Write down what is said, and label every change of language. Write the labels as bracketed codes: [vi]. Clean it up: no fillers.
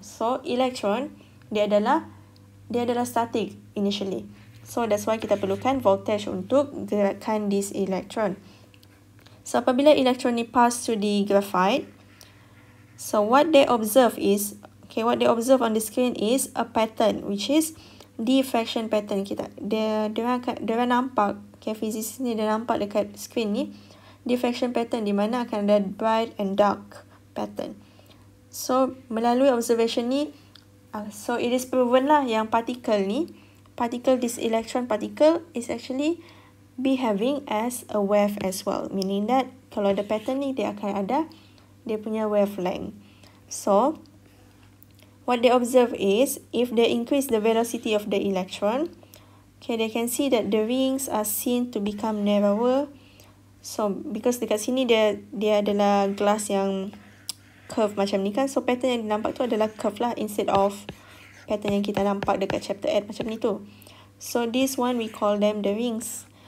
[ms] So electron dia adalah static initially. [en] So that's why [ms] kita perlukan voltage untuk gerakkan this electron. So apabila electron ni [en] pass through the graphite, so what they observe is, okay, what they observe on the screen is a pattern, which is diffraction pattern. [ms] Dia nampak, okay, physicist ni dia nampak dekat screen ni diffraction pattern, di mana akan ada [en] bright and dark pattern. [ms] So melalui observation ni, [en] so it is proven lah yang this electron particle is actually behaving as a wave as well. Meaning that [ms] kalau ada pattern ni, dia akan ada dia punya wavelength. [en] So what they observe is, if they increase the velocity of the electron, okay, they can see that the rings are seen to become narrower. [ms] So because dekat sini dia adalah glass yang curve macam ni kan, so pattern yang nampak tu adalah curve lah, instead of pattern yang kita nampak dekat chapter 8 macam ni tu. [en] So this one we call them the rings.